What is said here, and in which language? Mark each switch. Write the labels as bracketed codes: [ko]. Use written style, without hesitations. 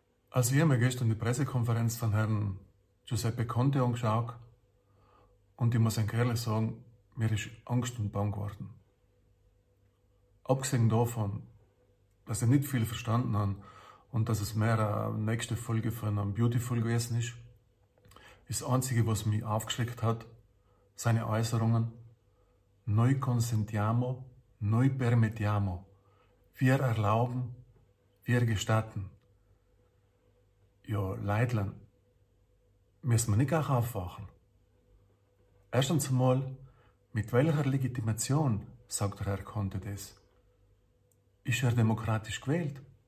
[de] Also ich habe mir gestern die Pressekonferenz von Herrn Giuseppe Conte angeschaut und ich muss ehrlich sagen, mir ist Angst und Bang geworden. Abgesehen davon, dass ich nicht viel verstanden habe und dass es mehr eine nächste Folge von einem Beautiful gewesen ist, ist das Einzige, was mich aufgeschreckt hat, seine Äußerungen. [it] Noi consentiamo, noi permettiamo. [de] Wir erlauben, wir gestatten. Ja, Leitlern, müssen wir nicht auch aufwachen? Erstens einmal, mit welcher Legitimation sagt der Herr Conte das? Ist er demokratisch gewählt?